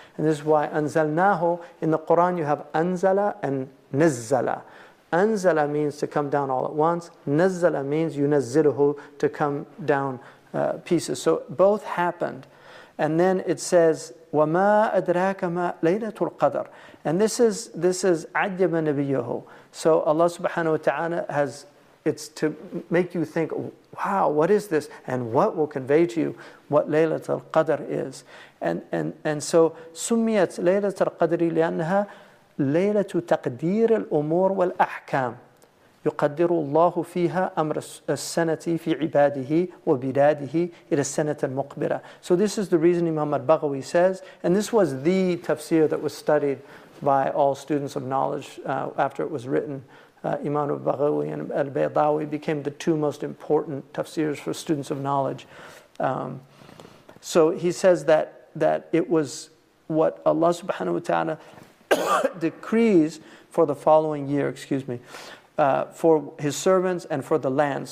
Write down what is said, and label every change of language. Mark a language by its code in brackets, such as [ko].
[en] And this is why أَنزَلْنَاهُ. In the Quran you have أَنزَلَ and نَزَّلَ. أَنزَلَ means to come down all at once. نَزَّلَ means يُنَزِّلُهُ, to come down pieces. So both happened. And then it says, [ar] وَمَا أَدْرَاكَ مَا لَيْلَةُ الْقَدْرِ. [en] And this is [ar] عَجَّبَ نَبِيُّهُ. [en] So Allah subhanahu wa ta'ala has, it's to make you think, wow, what is this? And what will convey to you what Laylat al-Qadr is? And so, [ar] سُمِّيَتْ لَيْلَةُ الْقَدْرِ لِأَنَّهَا لَيْلَةُ تَقْدِيرِ الْأُمُورِ وَالْأَحْكَامِ. يقدر الله فيها أمر السنة في عباده وبلاده إلى السنة المقبلة. [en] So this is the reason Imam al-Baghawi says, and this was the tafsir that was studied by all students of knowledge after it was written. Imam al-Baghawi and al-Baydawi became the two most important tafsirs for students of knowledge. So he says that it was what Allah subhanahu wa ta'ala decrees for the following year, for his servants and for the land.